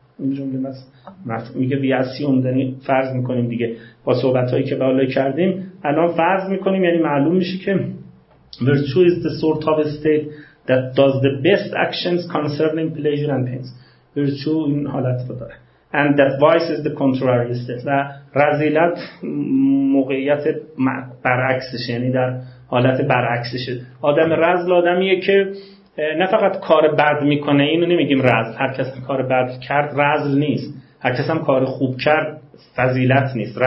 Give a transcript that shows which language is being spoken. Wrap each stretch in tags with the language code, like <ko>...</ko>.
<fa>این جمله میگه بیاسی اومدنی، فرض میکنیم دیگه با صحبتهایی که بالا کردیم الان فرض میکنیم، یعنی معلوم میشه که</fa> <en>virtue is the sort of state that does the best actions concerning pleasure and pains.</en> <fa>virtue این حالت رو داره.</fa> <en>And that vice is the contrary state.</en> <fa>و رذیلت موقعیت برعکسش، یعنی در حالت برعکسش. آدم رذل آدمیه که نه فقط کار بد میکنه، اینو نمیگیم رذل، هر کس کار بد کرد رذل نیست، هر کس هم کار خوب کرد فضیلت نیست.</fa>